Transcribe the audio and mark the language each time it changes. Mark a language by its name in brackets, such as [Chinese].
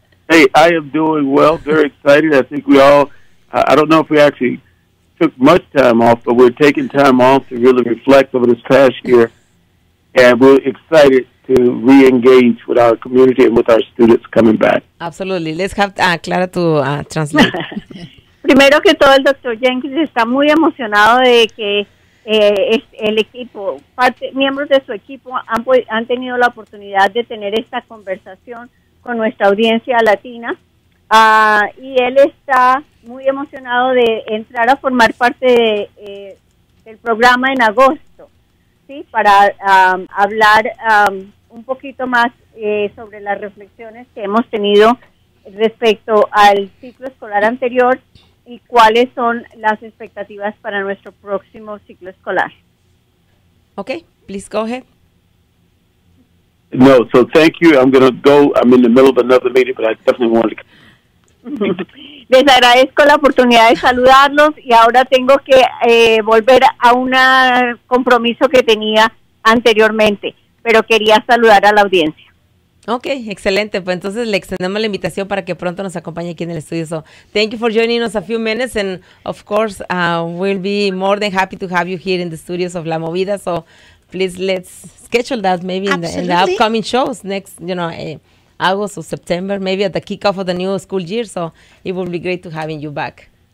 [English] Hey, I am doing well. Very excited. I think we all, I don't know if we actually took much time off, but we're taking time off to really reflect over this past year, and we're excited to re-engage with our community and with our students coming back. Absolutely. Let's have Clara to translate. [Spanish] Primero que todo, el Dr. Jenkins está muy emocionado de que el equipo, miembros de su equipo han tenido la oportunidad de tener esta conversación con nuestra audiencia latina. Y él está muy emocionado de entrar a formar parte del programa en agosto, ¿sí? Para hablar un poquito más sobre las reflexiones que hemos tenido respecto al ciclo escolar anterior y cuáles son las expectativas para nuestro próximo ciclo escolar. [English] Okay, please go ahead. No, so thank you. I'm going to go. I'm in the middle of another meeting, but I definitely want to... [Spanish] Les agradezco la oportunidad de saludarlos y ahora tengo que volver a un compromiso que tenía anteriormente, pero quería saludar a la audiencia. Okay, excelente. Pues entonces le extendemos la invitación para que pronto nos acompañe aquí en el estudio. [English] So, thank you for joining us a few minutes and of course, we'll be more than happy to have you here in the studios of La Movida. So, please let's schedule that maybe in the upcoming shows next, you know, August or September, maybe at the kickoff of the new school year. So it will be great to having you back.